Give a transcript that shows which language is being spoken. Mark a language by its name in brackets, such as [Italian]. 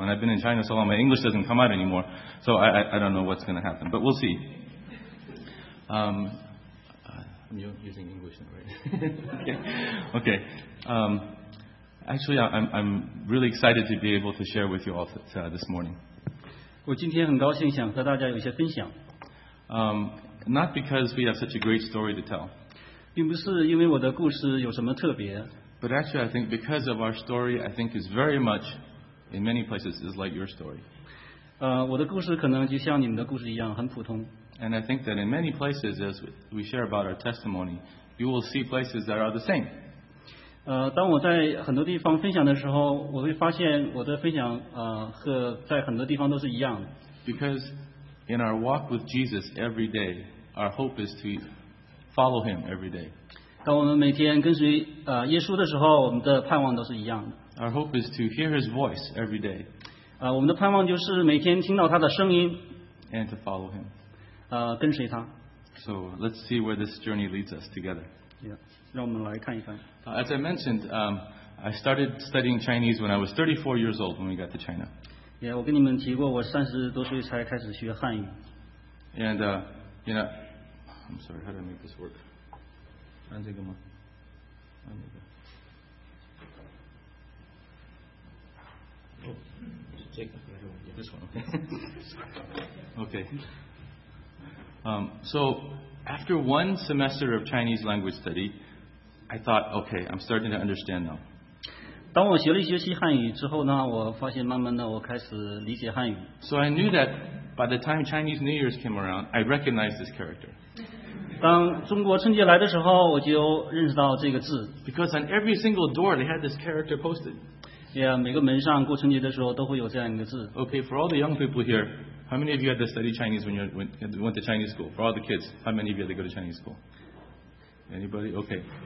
[English] And I've been in China so long, my English doesn't come out anymore, so I don't know what's going to happen. But we'll see. I'm using English now, right? Okay. Actually, I'm really excited to be able to share with you all this morning. [Chinese] 我今天很高兴想和大家有一些分享。 [English] Not because we have such a great story to tell. [Chinese] 并不是因为我的故事有什么特别。 [English] But actually, I think because of our story, I think is very much, in many places, is like your story. [Chinese] 我的故事可能就像你们的故事一样，很普通。 [English] And I think that in many places, as we share about our testimony, you will see places that are the same. [Chinese] 当我在很多地方分享的时候，我会发现我的分享和在很多地方都是一样的。 [English] Because in our walk with Jesus every day, our hope is to follow Him every day. [Chinese] 当我们每天跟随耶稣的时候，我们的盼望都是一样的。 [English] Our hope is to hear His voice every day. [Chinese] 我们的盼望就是每天听到他的声音。 [English] And to follow Him. [Chinese] 跟随他。 [English] So let's see where this journey leads us together. [Chinese] Yeah. 让我们来看一看。 [English] As I mentioned, I started studying Chinese when I was 34 years old when we got to China. [Chinese] Yeah, 我跟你们提过，我30多岁才开始学汉语。 [English] And you know, I'm sorry, how do I make this work? [Chinese] 按这个吗？按那个？哦，是这个，还是我？这是我。 [English] Okay. So after one semester of Chinese language study. I thought, okay, I'm starting to understand now. [Chinese] 当我学了一学期汉语之后呢，我发现慢慢的我开始理解汉语。 [English] So I knew that by the time Chinese New Year's came around, I recognized this character. [Chinese] 当中国春节来的时候，我就认识到这个字。 [English] Because on every single door, they had this character posted. [Chinese] Yeah, 每个门上过春节的时候都会有这样一个字。 [English] Okay, for all the young people here, how many of you had to study Chinese when you went to Chinese school? For all the kids, how many of you had to go to Chinese school? Anybody? Okay.